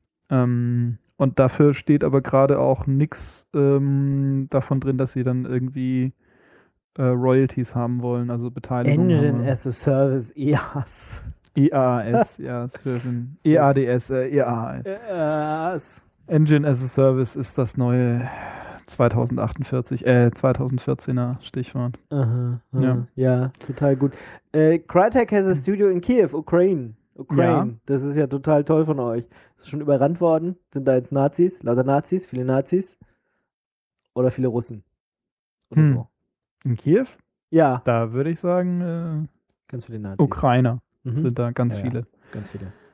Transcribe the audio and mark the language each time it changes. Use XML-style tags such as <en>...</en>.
<de>Und dafür steht aber gerade auch nichts davon drin, dass sie dann irgendwie Royalties haben wollen, also Beteiligung.</de> <en>Engine as a Service, EAS.</en> <de>EAS, ja. EADS, EAS. EAS. Engine as a Service ist das neue 2014er Stichwort. Aha, ja, total gut.</de> <en>Crytek has a studio in Kiew, Ukraine.</en> <de>Ja. Das ist ja total toll von euch. Ist schon überrannt worden? Sind da jetzt Nazis? Lauter Nazis? Viele Nazis? Oder viele Russen? Oder so. In Kiew? Ja. Da würde ich sagen, ganz viele Nazis. Ukrainer sind da ganz viele. Ganz viele.</de>